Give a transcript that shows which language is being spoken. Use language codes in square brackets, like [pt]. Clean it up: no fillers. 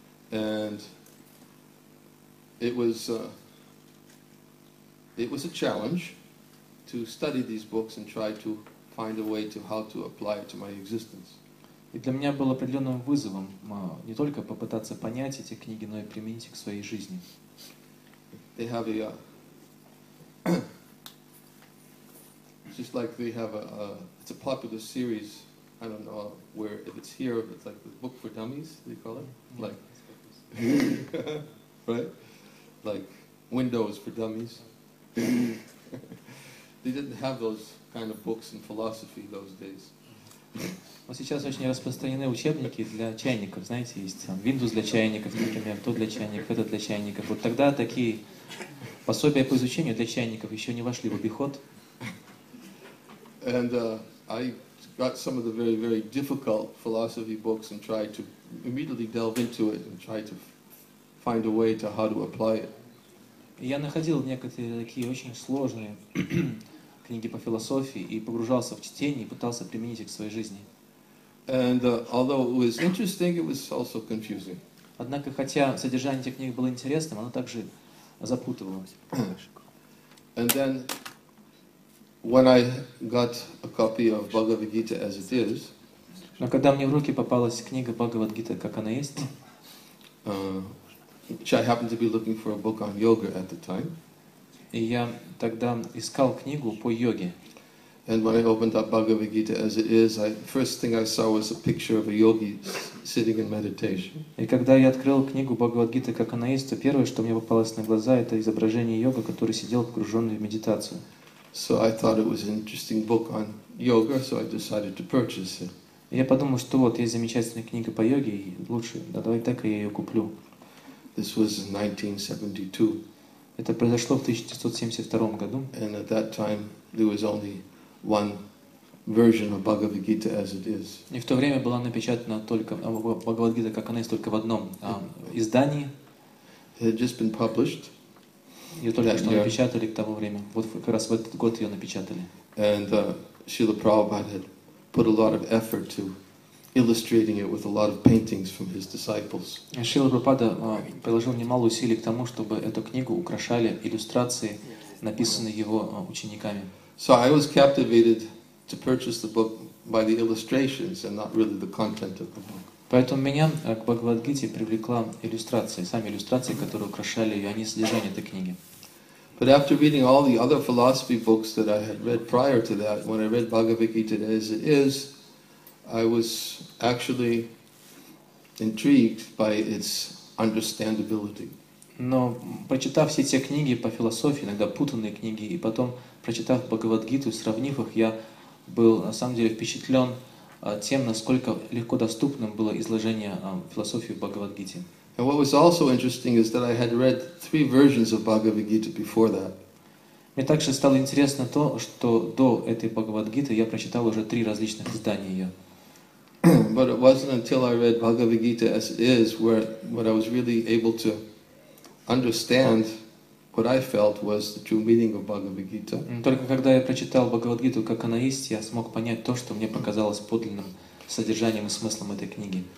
[en] And it was a challenge to study these books and try to find a way to how to apply it to my existence. [ru] И для меня было определенным вызовом не только попытаться понять эти книги, но и применить их к своей жизни. [en] They have a just like they have a it's a popular series. I don't know where if it's here, but it's like the book for dummies, they call it. Like right? Like Windows for dummies. They didn't have those kind of books in philosophy those days. [ru] Но сейчас очень распространены учебники для чайников, знаете, есть там Windows для чайников, например, то для чайников, это для чайников. Вот тогда такие пособия по изучению для чайников еще не вошли в обиход. [en] And I got some of the very, very difficult philosophy books and tried to immediately delve into it and try to find a way to how to apply it. [ru] Я находил некоторые такие очень сложные книги по философии и погружался в чтение и пытался применить их к своей жизни. [en] And although it was interesting, it was also confusing. [ru] Однако хотя содержание этих книг было интересным, оно также запутывалось. [en] And then, when I got a copy of Bhagavad Gita as it is, [ru] но когда мне в руки попалась книга Бхагавад Гита, как она есть, [en] which I happened to be looking for a book on yoga at the time. [ru] И я тогда искал книгу по йоге. [en] And when I opened up Bhagavad Gita as it is, first thing I saw was a picture of a yogi sitting in meditation. [ru] И когда я открыл книгу Бхагавад Гита, как она есть, то первое, что мне попалось на глаза, это изображение йога, который сидел погруженный в медитацию. [en] So I thought it was an interesting book on yoga, so I decided to purchase it. [ru] Я подумал, что вот есть замечательная книга по йоге, и лучше, да, давай так я ее куплю. [en] This was in 1972. [ru] Это произошло в 1972 году. [en] And at that time there was only one version of Bhagavad Gita as it is. [ru] И в то время была напечатана только Бхагавад Гита как она есть только в одном издании. [en] It had just been published. [ru] Ее только что напечатали к тому времени. Вот как раз в этот год ее напечатали. [en] And Srila Prabhupada had put a lot of effort to illustrating it with a lot of paintings from his disciples. [ru] Шрила Прабхупада приложил немало усилий к тому, чтобы эту книгу украшали иллюстрации, написанные его учениками. [en] So I was captivated to purchase the book by the illustrations and not really the content of the book. [ru] Поэтому меня к Бхагавад-гите привлекла иллюстрации, сами иллюстрации, которые украшали ее, а не содержание этой книги. [en] But after reading all the other philosophy books that I had read prior to that, when I read Bhagavad Gita as it is, I was actually intrigued by its understandability. [ru] Но прочитав все те книги по философии, иногда путанные книги, и потом прочитав Бхагавад-гиту, сравнив их, я был на самом деле впечатлен тем, насколько легко доступным было изложение философии в Бхагавад-гите. [en] And what was also interesting is that I had read three versions of Bhagavad Gita before that. [ru] Мне также стало интересно то, что до этой Бхагавад-гиты я прочитал уже три различных издания ее. [en] But it wasn't until I read Bhagavad Gita as it is where I was really able to understand what I felt was the true meaning of Bhagavad Gita. [ru] Только когда я прочитал Бхагавад-гиту как она есть, я смог понять то, что мне показалось подлинным содержанием и смыслом этой книги.